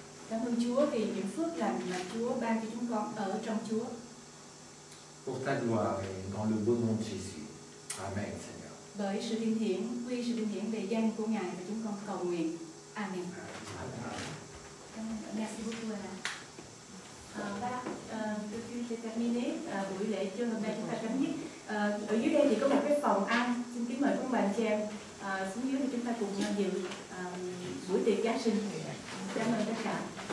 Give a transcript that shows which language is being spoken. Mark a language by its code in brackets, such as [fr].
[vi] Cảm ơn Chúa vì những phước lành mà Chúa ban cho chúng con ở trong Chúa. [fr] Pour ta gloire et dans le beau nom de Jésus. Amen, Seigneur. [vi] Bởi sự vinh hiển, quy sự vinh hiển về danh của Ngài mà chúng con cầu nguyện. Amen. [fr] Merci beaucoup. [vi] Và từ khi sẽ [en] terminate [vi] buổi lễ chưa hôm nay chúng ta chấm dứt. Ở dưới đây thì có một cái phòng ăn, xin kính mời các bạn xem xuống dưới thì chúng ta cùng nhau dự buổi tiệc Giáng sinh. Cảm ơn tất cả.